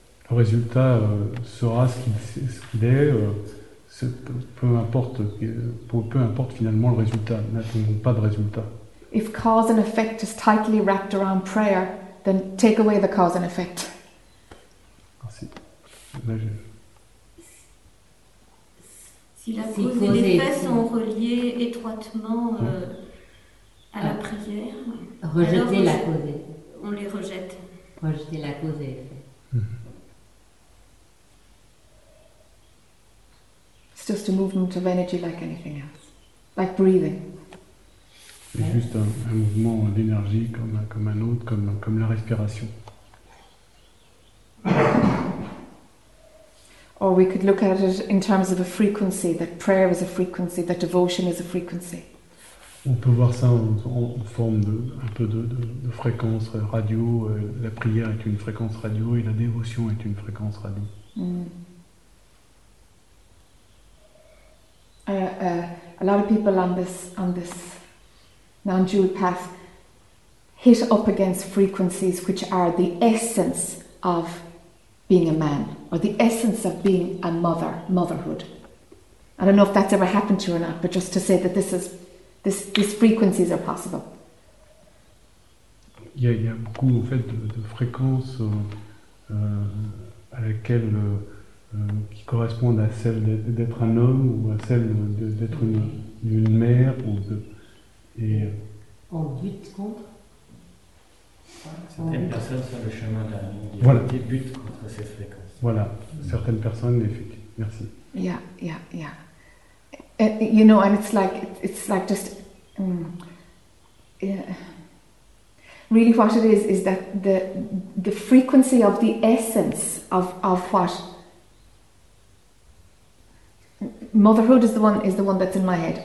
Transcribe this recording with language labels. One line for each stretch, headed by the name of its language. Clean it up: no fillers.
French: Le résultat sera ce qu'il est. Peu importe finalement le résultat. N'attendons pas de résultat.
English: If cause and effect is tightly wrapped around prayer, then take away the cause and effect.
French: Merci. Là, j'ai... Si la cause et l'effet sont reliés étroitement à la prière, rejeter la cause. On les rejette. Rejeter la cause et l'effet. C'est juste un mouvement
English: of energy like anything else, like breathing.
French: C'est juste un mouvement d'énergie comme un autre, comme la respiration.
English: Or we could look at it in terms of a frequency, that prayer is a frequency, that devotion is a frequency.
French: On peut voir ça en forme de un peu de fréquence radio. La prière est une fréquence radio et la dévotion est une fréquence radio.
English: A lot of people on this non-dual path hit up against frequencies which are the essence of being a man, or the essence of being a mother, motherhood. I don't know if that's ever happened to you or not, but just to say that these frequencies are possible.
French: Il y a beaucoup en fait de fréquences à laquelle qui correspondent à celle d'être un homme ou à celle d'être une mère ou de et. En lutte contre. Certaines personnes sur le chemin de la vie butent contre ces fréquences. Voilà, certaines personnes effectivement. Merci.
English: Yeah. You know, and it's like just really what it is that the frequency of the essence of what motherhood is the one that's in my head.